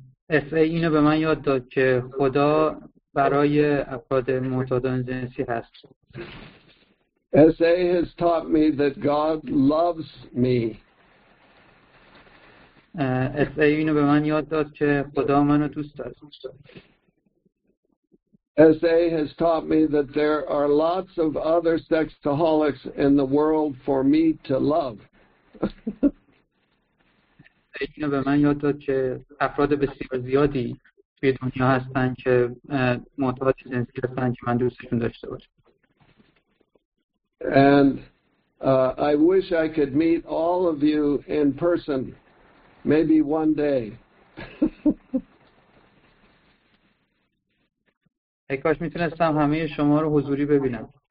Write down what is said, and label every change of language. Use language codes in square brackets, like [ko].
[fa] SA اینو به من یاد داد که خدا برای افراد معتاد جنسی هست. [en] SA has taught me that God loves me. [fa] SA اینو به من یاد داد که خدا منو دوست دارد. [en] SA has taught me that there are lots of other sexaholics in the world for me to love. [fa] اینو به من یاد داد که افراد بسیار زیادی توی دنیا هستن که معتاد جنسی هستن که من دوستشون داشته باشم. [en] And I wish I could meet all of you in person, maybe one day. [fa] ای کاش میتونستم همه شما رو حضوری ببینم.